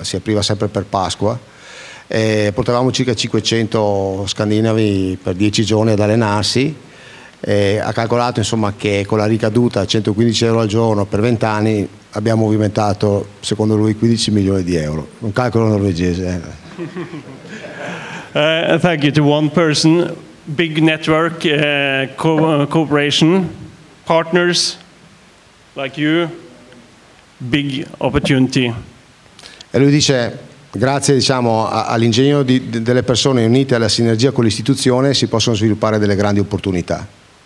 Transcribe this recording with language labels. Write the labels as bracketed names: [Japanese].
[Italian] Si apriva sempre per Pasqua, e portavamo circa 500 scandinavi per 10 giorni ad allenarsi, ha calcolato insomma che con la ricaduta a 115 euro al giorno per 20 anni abbiamo movimentato secondo lui 15 milioni di euro, un calcolo norvegese. [English] Thank you to one person, big network, cooperation, partners like you, big opportunity. [Italian] E lui dice grazie diciamo all'ingegno delle persone unite alla sinergia con l'istituzione si possono sviluppare delle grandi opportunità.